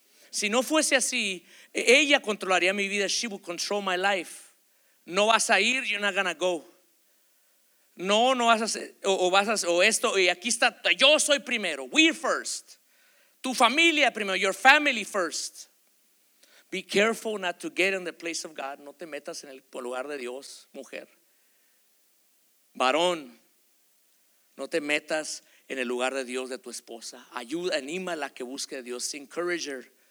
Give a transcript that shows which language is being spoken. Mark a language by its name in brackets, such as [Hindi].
[Spanish] Si no fuese así, ella controlaría mi vida. [English] She would control my life. [Spanish] No vas a ir, [English] you're not going to go. [Spanish] No vas a hacer, o vas a hacer, o esto, y aquí está. Yo soy primero. [English] We first. [Spanish] Tu familia primero. [English] Your family first. Be careful not to get in the place of God. [Spanish] No te metas en el lugar de Dios, mujer. Varón, no te metas en el lugar de Dios de tu esposa. Ayuda, anímala a que busque a Dios. [English] Encourage her.